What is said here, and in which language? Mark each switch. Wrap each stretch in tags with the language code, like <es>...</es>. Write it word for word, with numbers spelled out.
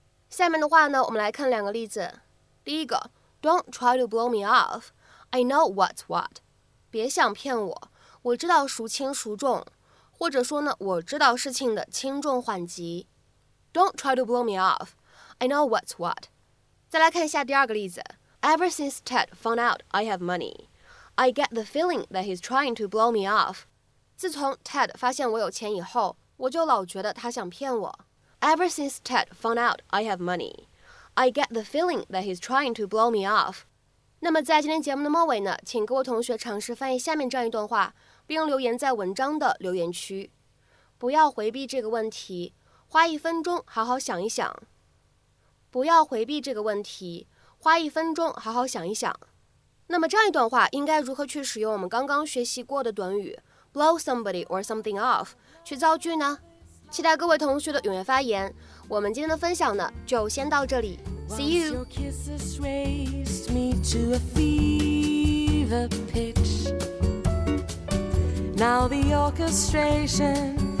<zh>下面的话呢我们来看两个例子第一个</zh> <en>Don't try to blow me off I know what's what</en> <zh>别想骗我我知道孰轻孰重或者说呢我知道事情的轻重缓急 Don't try to blow me off I know what's what 再来看一下第二个例子</zh> <en>Ever since Ted found out I have money I get the feeling that he's trying to blow me off.</en> <zh>自从 Ted 发现我有钱以后，我就老觉得他想骗我。</zh> <en>Ever since Ted found out I have money, I get the feeling that he's trying to blow me off.</en> <zh>那么在今天节目的末尾呢，请各位同学尝试翻译下面这样一段话，并留言在文章的留言区。不要回避这个问题，花一分钟好好想一想。不要回避这个问题，花一分钟好好想一想。那么这样一段话应该如何去使用我们刚刚学习过的短语 blow somebody or something off 去造句呢？期待各位同学的踊跃发言。我们今天的分享呢就先到这里</zh> <en>See you! Your kisses raised me to a fever pitch Now the orchestration</en>